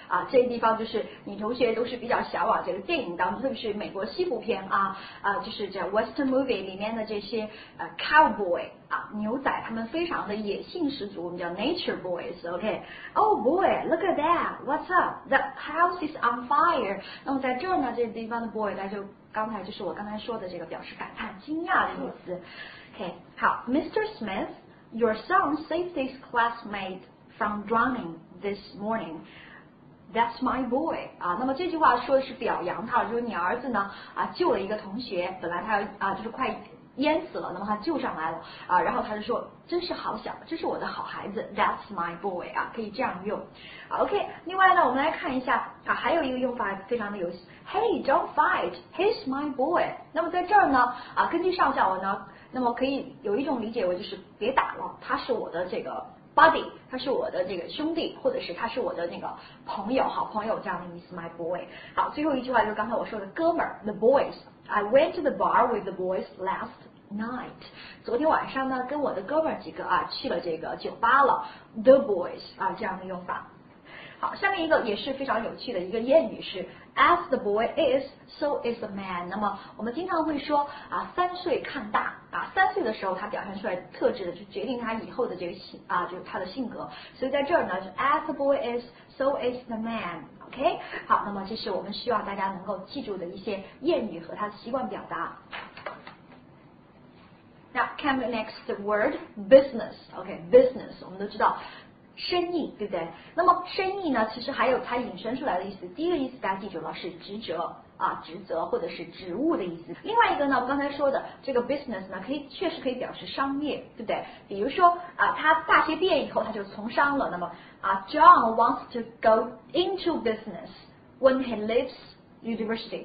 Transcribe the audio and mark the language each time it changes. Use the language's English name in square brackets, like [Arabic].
[Chinese] 这个地方就是女同学都是比较向往这个电影当中，特别是美国西部片就是这 [English] western movie [Chinese] 里面的这些cowboy 牛仔，他们非常的野性十足，我们叫 [English] nature boys。 OK， oh boy look at that， what's up， the house is on fire。 [Chinese] 那么在这儿呢，这个地方的 boy 就是我刚才说的这个表示感叹惊讶的意思。 [English] OK， 好， Mr. SmithYour son saved his classmate from drowning this morning. That's my boy. [Chinese] 那么这句话说的是表扬他，就是你儿子呢救了一个同学，本来他就是快淹死了，那么他救上来了然后他就说真是好小，这是我的好孩子。 [English] That's my boy. [Chinese] 可以这样用。 OK， 另外呢，我们来看一下还有一个用法非常的有意思。 [English] Hey, don't fight. He's my boy. [Chinese] 那么在这儿呢根据上下文呢。那么可以有一种理解为就是别打了，他是我的这个 buddy， 他是我的这个兄弟，或者是他是我的那个朋友，好朋友这样的意思。 [English] my boy。 [Chinese] 好，最后一句话就是刚才我说的哥们儿 [English] the boys。 I went to the bar with the boys last night。 [Chinese] 昨天晚上呢跟我的哥们儿几个去了这个酒吧了。 [English] the boys [Chinese] 这样的用法。好，下面一个也是非常有趣的一个谚语是 [English] as the boy is so is the man。 [Chinese] 那么我们经常会说三岁看大三岁的时候他表现出来特质的就决定他以后的这个就是他的性格。所以在这儿呢就 [English] as the boy is so is the man。 [Chinese] OK， 好，那么这是我们希望大家能够记住的一些谚语和他的习惯表达。 [English] Now come the next word， business。 OK， business [Chinese] 我们都知道生意，对不对？那么生意呢其实还有它引申出来的意思，第一个意思大家记住了，是职责职责或者是职务的意思。另外一个呢，我刚才说的这个 business 呢确实可以表示商业，对不对？比如说他大学毕业以后他就从商了，那么 [English] John wants to go into business when he leaves university.